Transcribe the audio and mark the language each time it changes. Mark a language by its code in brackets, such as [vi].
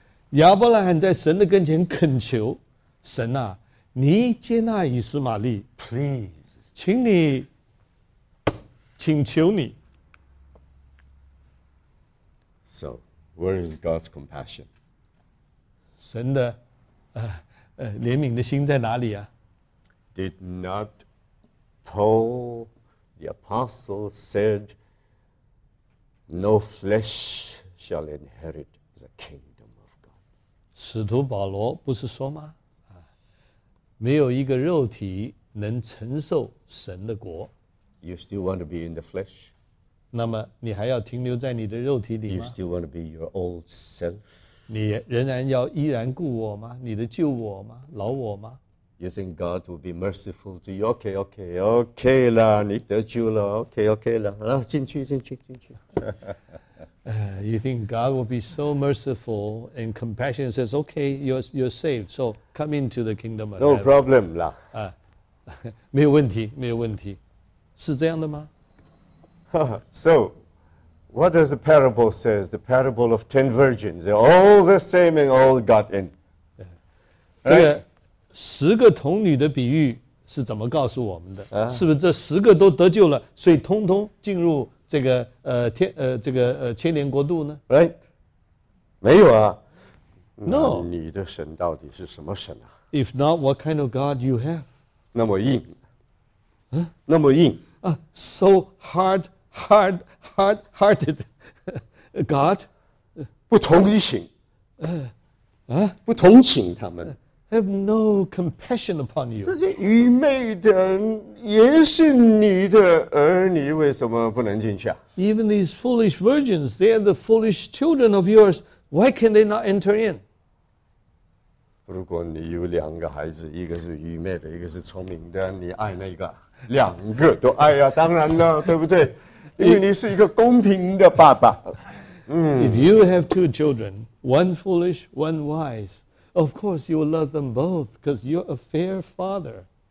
[zh] 亚伯拉罕在神的跟前恳求，神啊，你接纳以实玛利。 [en] Please. [zh] 请你请求你。 [en] So, where is God's compassion? [zh] 神的怜悯的心在哪里啊？ [en] Did not Paul, the apostle, said, No flesh shall inherit the kingdom of God. [zh] 使徒保罗不是说吗？没有一个肉体能承受神的国。 [en] You still want to be in the flesh? [zh] 那么你还要停留在你的肉体里吗？ [en] You still want to be your old self? [zh] 你仍然要依然顾我吗？你的旧我吗？老我吗？ [en] You think God will be merciful to you? [zh] Okay, okay, okay 啦，你得救了。Okay, okay 啦，然后进去，进去，进去。 [en] You think God will be so merciful and compassionate? Says, okay, you're saved. So come into the kingdom of heaven. No problem 啦。 [zh] 没有问题，没有问题。是这样的吗？ [en] So, what does the parable say? The parable of 10 virgins. They're all the same and all got in. [zh] 这个十个童女的比喻是怎么告诉我们的？是不是这十个都得救了，所以通通进入这个千年国度呢？ Right. 没有啊。 [en] No. [zh] 你的神到底是什么神啊？ [en] If not, what kind of God you have? [zh] 那么硬。那么硬。 [en] So hard-hearted God. [zh] 不同情。不同情他们。 [en] Have no compassion upon you. [zh] 这些愚昧的也是你的儿女，为什么不能进去啊？ [en] Even these foolish virgins, they are the foolish children of yours. Why can they not enter in? [zh] 如果你有两个孩子，一个是愚昧的，一个是聪明的，你爱那个？两个都爱啊，当然了，对不对？因为你是一个公平的爸爸。 [en] If you have two children, one foolish, one wise, of course you will love them both because you're a fair father.